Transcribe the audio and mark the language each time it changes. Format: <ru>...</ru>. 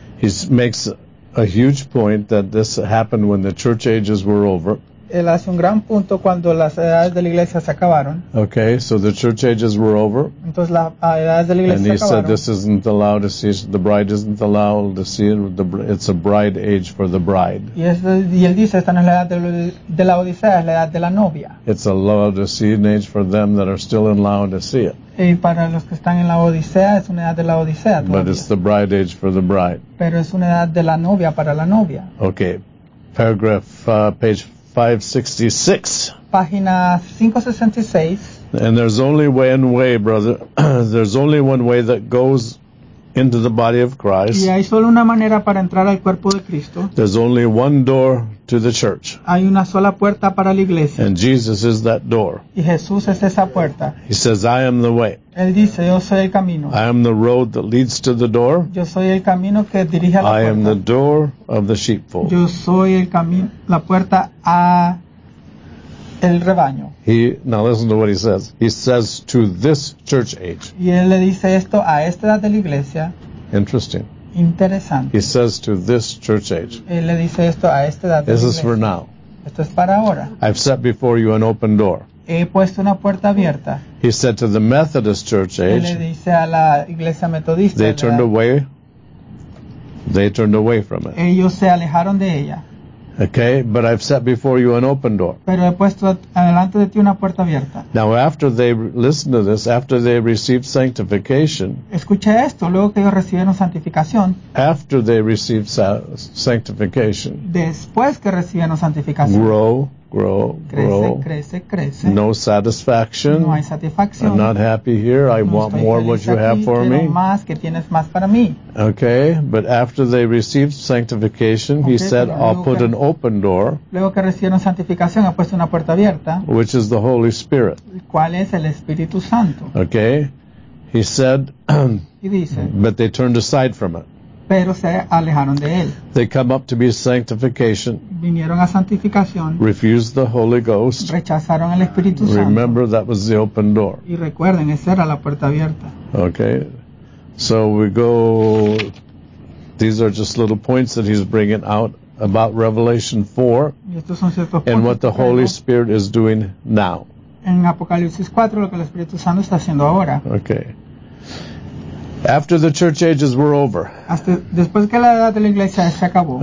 <en>He makes a huge point that this happened when the church ages were over.</en> <es>Él hace un gran punto cuando las edades de la iglesia se acabaron.</es> <en>Okay, so the church ages were over.</en> <es>Entonces las edades de la iglesia se acabaron.</es> <en>And he said this isn't allowed to see, the bride isn't allowed to see, it's a bride age for the bride.</en> <es>Y él dice, están en la edad de la Odisea, es la edad de la novia.</es> <en>It's a Laodicean age for them that are still in Laodicea.</en> <es>Y para los que están en la Odisea, es una edad de la Odisea todavía.</es> <en>But it's the bride age for the bride.</en> <es>Pero es una edad de la novia para la novia.</es> <en>Okay, paragraph, page 566.</en> <es>Página 566.</es> <en>And there's only one way, brother. There's only one way that goes into the body of Christ.</en> <es>Y hay solo una manera para entrar al cuerpo de Cristo.</es> <en>There's only one door to the church.</en> <es>Hay una sola puerta para la iglesia.</es> <en>And Jesus is that door.</en> <es>Y Jesús es esa puerta.</es> <en>He says, I am the way.</en> <es>Él dice, yo soy el camino.</es> <en>I am the road that leads to the door.</en> <es>Yo soy el camino que dirige a la puerta.</es> <en>I am the door of the sheepfold.</en> <es>Yo soy el camino, la puerta a el rebaño.</es> <en>Now listen to what he says. He says to this church age.</en> <es>Y él le dice esto a esta edad de la iglesia.</es> <en>Interesting.</en> <es>Interesante.</es> <en>He says to this church age.</en> <es>Él le dice esto a esta edad de la</es> <en>This is for now.</en> <es>Esto es para ahora.</es> <en>I've set before you an open door.</en> <es>He puesto una puerta abierta.</es> <en>He said to the Methodist church age.</en> <es>Él le dice a la iglesia metodista.</es> <en>They turned away. They turned away from it.</en> <es>Ellos se alejaron de ella.</es> <en>Okay, but I've set before you an open door.</en> <es>Pero he puesto adelante de ti una puerta abierta.</es> <en>Now, after they listen to this, after they received sanctification.</en> <es>Escucha esto, luego que ellos recibieron santificación.</es> <en>After they received sanctification.</en> <es>Después que recibieron santificación.</es> <en>Grow.</en> <es>Crece.</es> <en>No satisfaction.</en> <es>No hay satisfacción.</es> <en>I'm not happy here. I no want more what you have for me.</en> <es>Más que tienes más para mí.</es> <en>Okay, but after they received sanctification, okay, he said, I'll put an open door.</en> <es>Luego que recibieron santificación, ha puesto una puerta abierta.</es> <en>Which is the Holy Spirit.</en> <es>¿Cuál es el Espíritu Santo?</es> <en>Okay, he said, but they turned aside from it.</en> <es>Pero se alejaron de él.</es> <en>They come up to be sanctification.</en> <es>Vinieron a santificación.</es> <en>Refused the Holy Ghost.</en> <es>Rechazaron el Espíritu Santo.</es> <en>Remember, that was the open door.</en> <es>Y recuerden, esa era la puerta abierta.</es> <en>Okay. So we go, these are just little points that he's bringing out about Revelation 4.</en> <es>Y estos son ciertos puntos.</es> <en>And what the Holy Spirit is doing now.</en> <es>En Apocalipsis 4, lo que el Espíritu Santo está haciendo ahora.</es> <en>Okay. After the church ages were over.</en> <es>Hasta después que la edad de la iglesia se acabó.</es>